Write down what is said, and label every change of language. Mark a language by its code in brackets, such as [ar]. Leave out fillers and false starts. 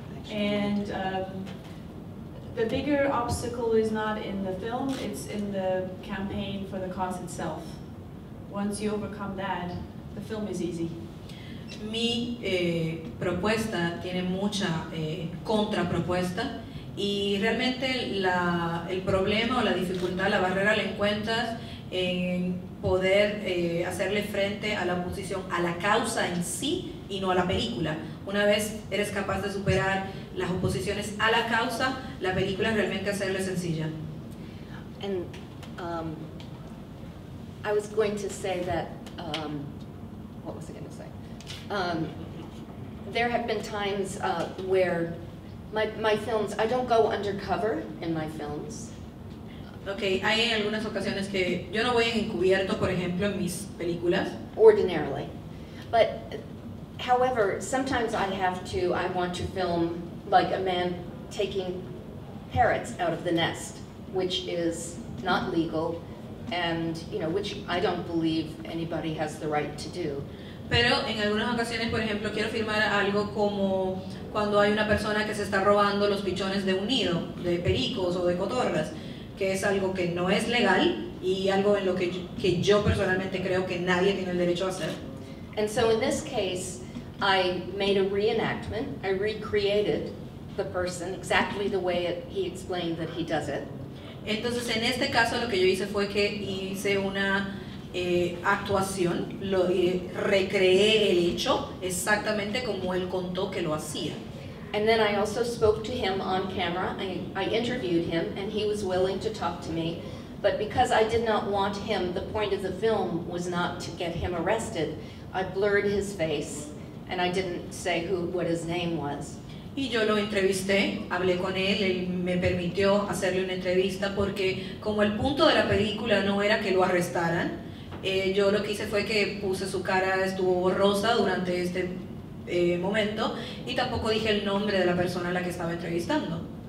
[en] And the bigger obstacle is not in the film, it's in the campaign for the cause itself. Once you overcome that, the film is easy. [es] Mi propuesta tiene mucha contrapropuesta y realmente el problema o la dificultad, la barrera la encuentras en poder hacerle frente a la oposición, a la causa en sí y no a la película. Una vez eres capaz de superar las oposiciones a la causa, la película realmente hacerle sencilla. [en] And I was going to say that, what was I going to say? There have been times where my films, I don't go undercover in my films. [es] Okay, hay algunas ocasiones que yo no voy encubierto, por ejemplo, en mis películas. [en] Ordinarily. But, however, sometimes I want to film like a man taking parrots out of the nest, which is not legal, and, you know, which I don't believe anybody has the right to do. [es] Pero en algunas ocasiones, por ejemplo, quiero filmar algo como cuando hay una persona que se está robando los pichones de un nido, de pericos o de cotorras, que es algo que no es legal y algo en lo que yo personalmente creo que nadie tiene el derecho a hacer. [en] And so in this case, I made a reenactment. I recreated the person exactly the way it, he explained that he does it. [es] Entonces en este caso lo que yo hice fue que hice una actuación, lo recreé el hecho exactamente como él contó que lo hacía. [en] And then I also spoke to him on camera. I interviewed him and he was willing to talk to me, but because I did not want him, the point of the film was not to get him arrested, I blurred his face and I didn't say who, what his name was. [es] Y yo lo entrevisté, hablé con él, él me permitió hacerle una entrevista porque como el punto de la película no era que lo arrestaran, yo lo que hice fue que puse su cara, estuvo borrosa durante este momento y tampoco dije el nombre de la persona a la que estaba entrevistando.